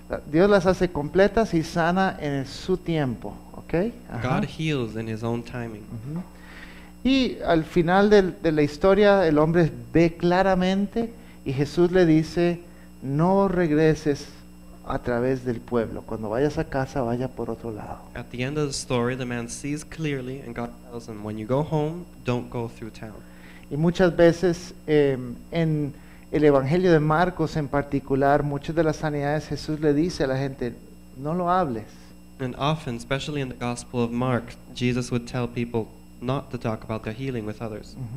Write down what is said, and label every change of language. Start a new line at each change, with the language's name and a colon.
Spanish: Dios las hace completas y sana en su tiempo, ¿okay?
English: God heals in his own timing.
Spanish: Y al final de la historia, el hombre ve claramente y Jesús le dice, no regreses a través del pueblo. Cuando vayas a casa, vaya por otro lado.
English: At the end of the story, the man sees clearly and God tells him, when you go home, don't go through town.
Spanish: Y muchas veces en el Evangelio de Marcos en particular, muchas de las sanidades Jesús le dice a la gente, no lo hables.
English: And often, especially in the Gospel of Mark, Jesus would tell people not to talk about their healing with others.